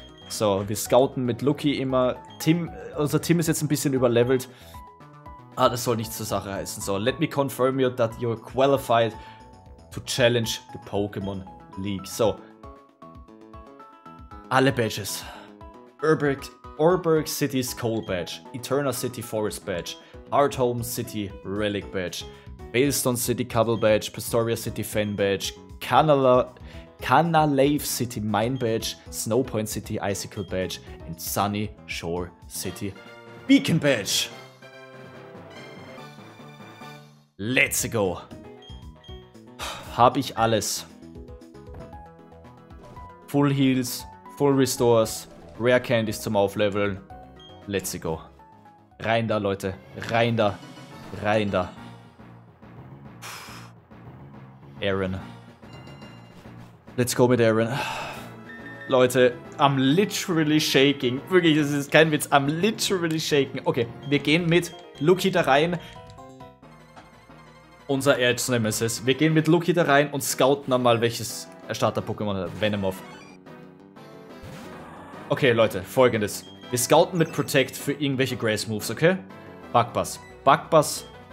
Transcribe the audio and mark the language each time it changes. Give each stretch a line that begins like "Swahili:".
German: So, wir scouten mit Lucky immer. Unser Team ist jetzt ein bisschen überlevelt. Ah, das soll nicht zur Sache heißen.
English: So, let me confirm you that you're qualified to challenge the Pokémon League. So.
German: Alle Badges.
English: Urberg City's Coal Badge. Eterna City Forest Badge. Hardhome City Relic Badge. Balestone City Cobble Badge. Pistoria City Fan Badge. Canalave City Mine Badge. Snowpoint City Icicle Badge. And Sunny Shore City Beacon Badge. Let's go.
German: Hab ich alles. Full Heals, Full Restores, Rare Candies zum Aufleveln.
English: Let's go.
German: Rein da, Leute. Rein da. Rein da.
English: Aaron. Let's go mit Aaron. Leute, I'm literally shaking.
German: Wirklich, das ist kein Witz.
English: I'm literally shaking.
German: Okay, wir gehen mit Luki da rein. Unser Edge Nemesis. Wir gehen mit Luki da rein und scouten einmal, welches Starter-Pokémon hat. Venomoth. Okay, Leute, folgendes. Wir scouten mit Protect für irgendwelche Grass-Moves, okay? Bugbuzz. Bugbuzz.